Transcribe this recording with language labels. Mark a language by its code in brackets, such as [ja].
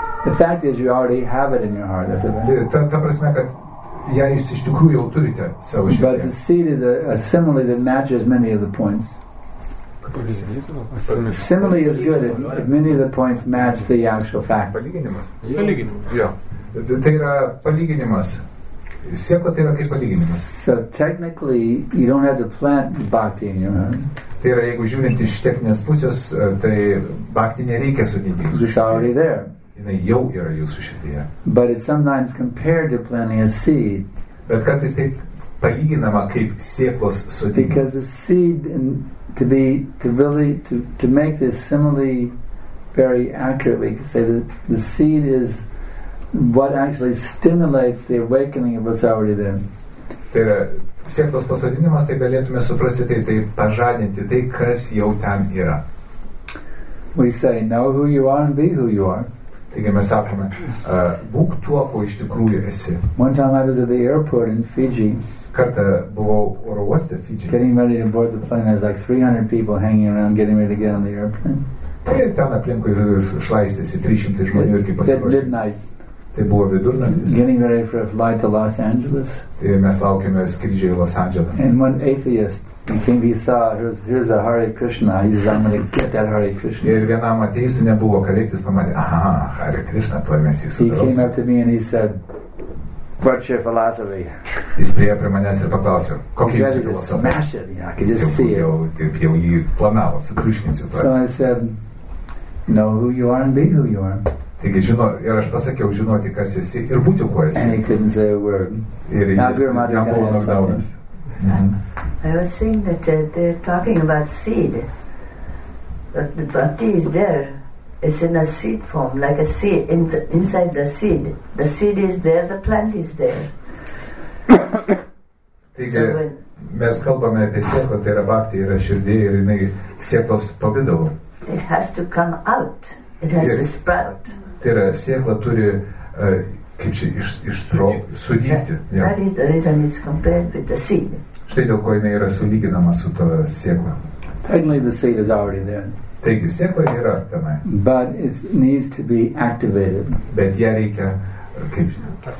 [en] The fact is you already have it in your heart. That's it. [lt] Ta prasme, kad ja, jūs iš tikrųjų jau turite savo širdyje. [en] But the seed is a simile that matches many of the points. Simile is good if many of the points match the actual fact. [lt] Palyginimas. Palyginimas. Jo. Tai yra palyginimas. Sėkla tai yra kaip palyginimas. [en] So technically, you don't have to plant bhakti in your heart. [lt] Tai yra, jeigu žiūrint iš techninės pusės, tai bhakti nereikia sudėti. [en] It's already there. [lt] Jinai jau yra jūsų širdyje. [en] But it's sometimes compared to planting a seed. [lt] Bet kartais taip palyginama kaip sėklos sodinimas. [en] Because the seed to make this simile very accurate, we can say that the seed is what actually stimulates the awakening of what's already there. [lt] Tai yra sėktos pasodinimas, tai galėtume suprasti, tai pažadinti tai, kas jau ten yra. [en] We say, know who you are and be who you are. [lt] Taigi mes sakome, būk tuo, ko iš tikrųjų esi. [en] One time I was at the airport in Fiji. [lt] Kartą buvau oro uoste Fiji. [en] Getting ready to board the plane, there's like 300 people hanging around getting ready to get on the airplane. [lt] Tai ten aplinkui šlaistėsi 300 žmonių ir kaip pasiruošė. [en] Midnight. [lt] Tai buvo vidurnaktis. [en] Getting ready for a flight to Los Angeles. [lt] Ir mes laukėme skrydžio į Los Angelą. [en] And one atheist came, he saw, here's a Hare Krishna. He says, I'm going to get that Hare Krishna. [lt] Ir vienam ateistui nebuvo kareitis, pamatė, aha, Hare Krishna, tuoj mes jį sudarosim. [en] He came up to me and he said, what's your philosophy? [lt] Jis priejo prie manęs ir paklausė, kokia jūsų filosofija? [en] Smash it, yeah, I could just see it. [lt] Taip jau jį planavo, sukriškinsiu. [en] So I said, know who you are and be who you are. [lt] Taigi, žino, ir aš pasakiau žinoti, kas esi ir būti, kuo esi. [en] And he couldn't say a word. [lt] Ir jam buvo nokdaunas. [en] I was saying that they're talking about seed. But the bhakti is there. It's in a seed form, like a seed inside the seed. The seed is there, the plant is there. [lt] Taigi, mes kalbame apie sėklą, tai yra bhakti, yra širdy, ir jinai sėklos pavidalu. [en] It has to come out. It has to sprout. [lt] Tai yra, sėkla turi, kaip čia, sudygti. [en] Yeah. That is the reason it's compared with the seed. [lt] Štai dėl ko jinai yra sulyginama su to sėkla. [en] Technically the seed is already there. [lt] Taigi, sėkla yra tenai. [en] But it needs to be activated. [lt] Bet ją reikia, kaip žinia.